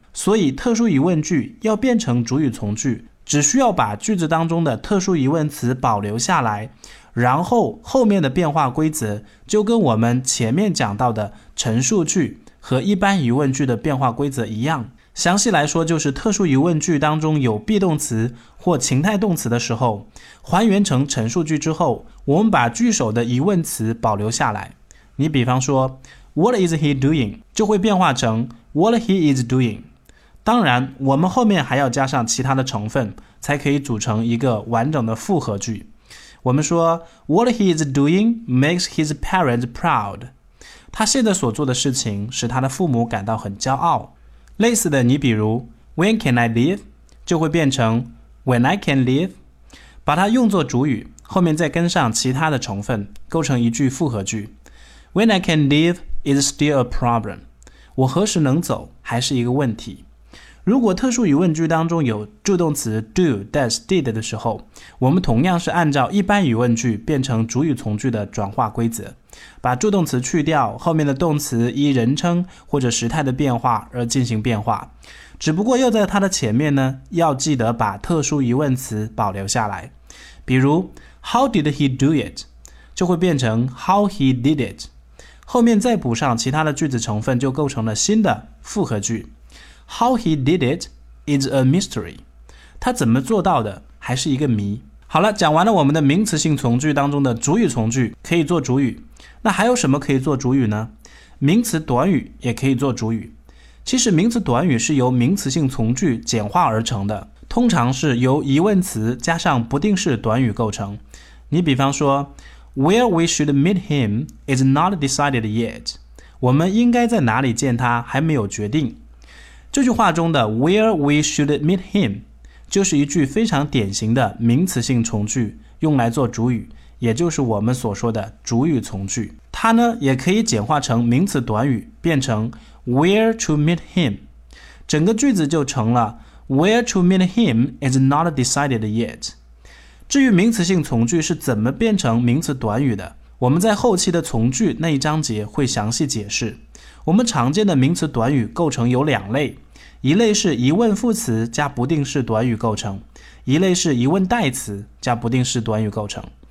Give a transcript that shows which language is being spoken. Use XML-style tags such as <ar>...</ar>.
<zh>所以特殊疑问句要变成主语从句，只需要把句子当中的特殊疑问词保留下来，然后后面的变化规则就跟我们前面讲到的陈述句和一般疑问句的变化规则一样。详细来说就是特殊疑问句当中有 be 动词或情态动词的时候，还原成陈述句之后，我们把句首的疑问词保留下来。你比方说</zh> <en>What is he doing?</en> <zh>就会变化成</zh> <en>What he is doing?</en> <zh>当然，我们后面还要加上其他的成分，才可以组成一个完整的复合句。</zh> <en>我们说 What he is doing makes his parents proud.</en> <zh>他现在所做的事情使他的父母感到很骄傲。类似的，你比如</zh> <en>When can I leave?</en> <zh>就会变成</zh> <en>When I can leave?</en> <zh>把它用作主语，后面再跟上其他的成分，构成一句复合句。</zh> <en>When I can leave is still a problem.</en> <zh>我何时能走还是一个问题。如果特殊疑问句当中有助动词 do, does, did 的时候，我们同样是按照一般疑问句变成主语从句的转化规则，把助动词去掉，后面的动词依人称或者时态的变化而进行变化，只不过又在它的前面呢，要记得把特殊疑问词保留下来。比如</zh> <en>How did he do it?</en> <zh>就会变成</zh> <en>How he did it,</en> <zh>后面再补上其他的句子成分，就构成了新的复合句。</zh> <en>How he did it is a mystery.</en> <zh>他怎么做到的还是一个谜。好了，讲完了我们的名词性从句当中的主语从句可以做主语。那还有什么可以做主语呢？名词短语也可以做主语。其实名词短语是由名词性从句简化而成的，通常是由疑问词加上不定式短语构成。你比方说</zh> <en>Where we should meet him is not decided yet.</en> <zh>我们应该在哪里见他还没有决定。这句话中的</zh> <en>Where we should meet him</en> <zh>就是一句非常典型的名词性从句，用来做主语，也就是我们所说的主语从句。它呢也可以简化成名词短语，变成</zh> <en>Where to meet him，</en> <zh>整个句子就成了</zh> <en>Where to meet him is not decided yet。</en> <zh>至于名词性从句是怎么变成名词短语的，我们在后期的从句那一章节会详细解释。我们常见的名词短语构成有两类，一类是疑问副词加不定式短语构成，一类是疑问代词加不定式短语构成。</zh>